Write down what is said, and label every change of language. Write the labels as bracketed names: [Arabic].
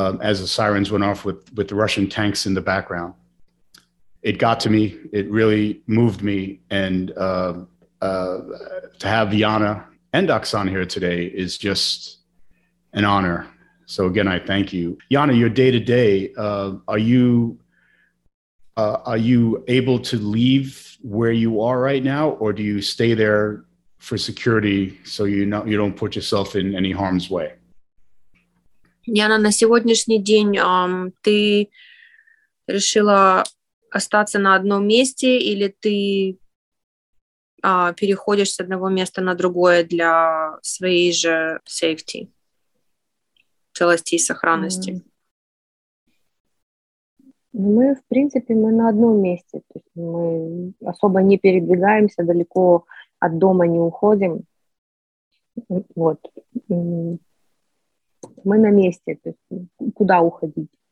[English] As the sirens went off with the Russian tanks in the background. It got to me, it really moved me, and to have Yana and Oksana here today is just an honor. So again, I thank you. Yana, your day-to-day, are you able to leave where you are right now, or do you stay there for security so you don't put yourself in any harm's way? [Ukrainian] Яна, на сьогоднішній день ти вирішила остатися на одному місці або ти переходиш з одного місця на друге для своєї ж сейфті, цілості і сохранності? Ми, в принципі, ми на одному місці. Тобто ми особо не передвигаємося, далеко від дому не уходимо. [Russian] Вот. Мы на месте, то есть куда уходить?